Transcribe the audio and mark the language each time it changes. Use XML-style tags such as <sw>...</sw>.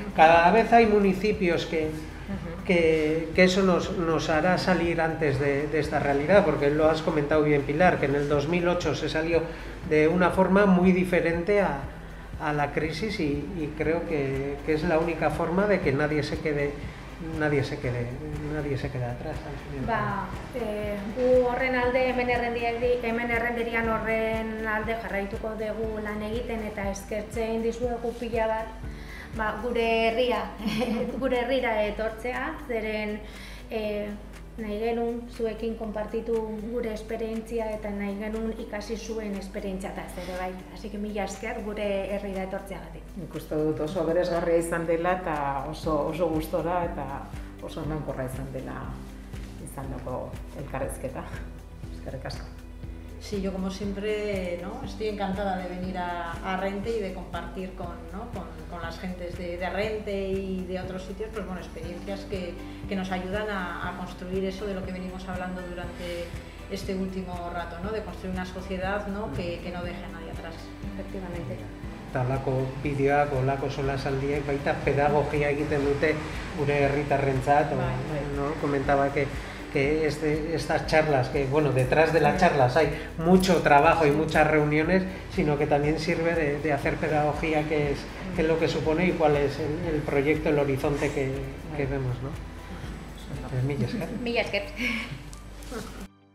<es>Cada vez hay municipios que eso nos hará salir antes de esta realidad, porque lo has comentado bien, Pilar, que en el 2008 se salió de una forma muy diferente a la crisis, y creo que es la única forma de que nadie se quede atrás.</es> <eu>Ba, gu horren alde hemen errenderian horren alde jarraituko dugu lan egiten, eta eskertzen dizuegu pila bat ba, gure herrira etortzea, zeren nahi genuen zuekin konpartitu gure esperientzia eta nahi genuen ikasi zuen esperientzia eta zere bai.</eu> <es>Así que</es> <eu>mila esker gure herrira etortzeagatik. Ikusten dut oso berezgarria izan dela eta oso gustora eta oso emankorra izan dago elkarrezketa. Eskerrik asko.</eu> <es>Sí, yo como siempre, ¿no? Estoy encantada de venir a Rente y de compartir con, ¿no? con las gentes de Rente y de otros sitios, pues bueno, experiencias que nos ayudan a construir eso de lo que venimos hablando durante este último rato, ¿no? De construir una sociedad, ¿no? que no deje a nadie atrás. Efectivamente.</es> <eu>Talako bideoak, olako solasaldiak, baita pedagogia egiten dute gure herritarrentzat, ¿no?</eu> <es>Comentaba que estas charlas, que bueno, detrás de las charlas hay mucho trabajo y muchas reuniones, sino que también sirve de hacer pedagogía, que es lo que supone y cuál es el proyecto, el horizonte que vemos, ¿no? Pues,</es> <eu>mille esker.</eu>